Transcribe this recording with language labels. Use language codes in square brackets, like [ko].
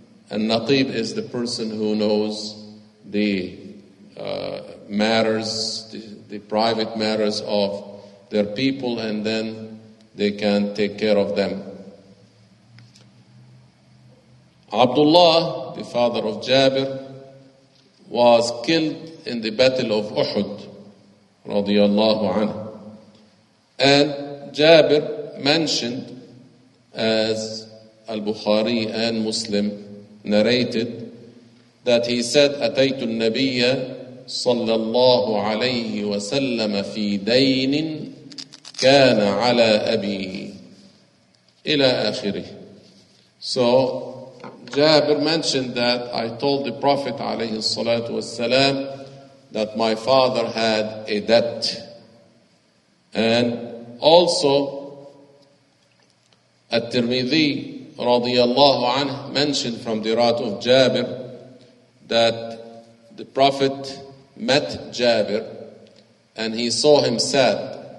[en] And Naqib is the person who knows the matters, the private matters of their people, and then they can take care of them. Abdullah, the father of Jabir, was killed in the Battle of Uhud [ar] radiyallahu anhu. [en] And Jabir mentioned, as Al-Bukhari and Muslim narrated, that he said, [ar] أَتَيْتُ النَّبِيَّ صَلَّى اللَّهُ عَلَيْهِ وَسَلَّمَ فِي دَيْنٍ كَانَ عَلَىٰ أَبِيهِ إِلَىٰ آخِرِهِ. [en] So Jabir mentioned that I told the Prophet [ar] عليه الصلاة والسلام [en] that my father had a debt. And also, At-Tirmidhi [ar] radiyallahu anhu [en] mentioned from the rawat of Jabir that the Prophet met Jabir and he saw him sad.